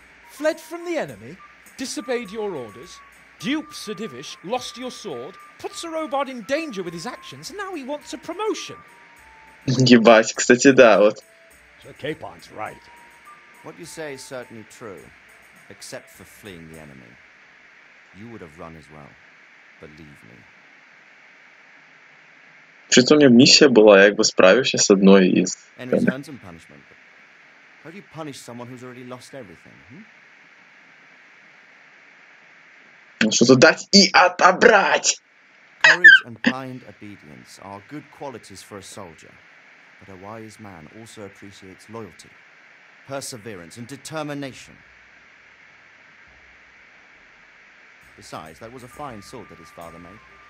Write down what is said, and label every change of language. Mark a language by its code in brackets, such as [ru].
[en] Fled from the enemy, disobeyed your orders, duped Sir Divish, lost your sword, put Sir Robard in danger with his actions, and now he wants a promotion! [ru] Ебать, кстати, да, вот. [en] Sir Capon's right. What you say is certainly true, except for fleeing the enemy. You would have run as well, believe me. [ru] Что-то у меня миссия была, я как бы справился с одной из. [en] And return some punishment. How do you punish someone who's already lost everything? [ru] Ну что-то дать и отобрать. [en] Courage and blind obedience are good qualities for a soldier, but a wise man also appreciates loyalty, perseverance and determination. Besides, that was a fine sword that his father made.